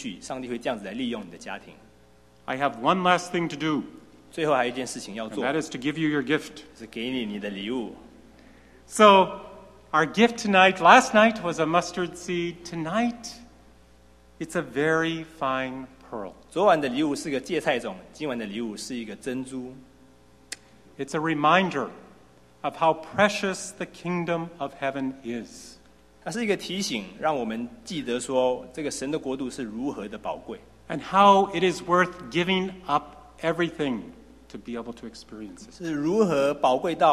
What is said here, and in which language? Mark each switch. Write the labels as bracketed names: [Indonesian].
[Chinese] 然后从那边再从你的家庭中延伸出去，上帝会这样子来利用你的家庭。 [English] I have one last thing to do. [Chinese] 最后还有一件事情要做。 [English] That is to give you your gift. [Chinese] 是给你你的礼物。 [English] So, our gift tonight, last night was a mustard seed. Tonight, it's a very fine pearl. [Chinese] 昨晚的礼物是个芥菜种，今晚的礼物是一个珍珠。 [English] It's a reminder of how precious the kingdom of heaven is. [Chinese] 它是一个提醒，让我们记得说这个神的国度是如何的宝贵。 [English] And how it is worth giving up everything to be able to experience it.